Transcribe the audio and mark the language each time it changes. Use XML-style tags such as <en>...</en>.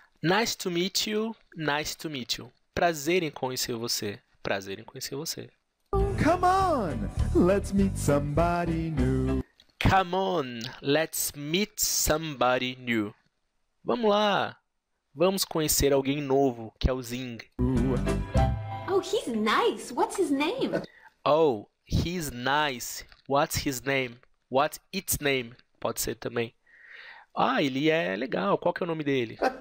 <en>Nice to meet you, nice to meet you.</en> <pt>Prazer em conhecer você. Prazer em conhecer você.</pt> <en>Come on, let's meet somebody new. Come on, let's meet somebody new.</en> <pt>Vamos lá. Vamos conhecer alguém novo, que é o Zing.</pt> <en>Oh, he's nice. What's his name? Oh, he's nice. What's his name? What's its name?</en> <pt>Pode ser também. Ah, ele é legal. Qual que é o nome dele?</pt>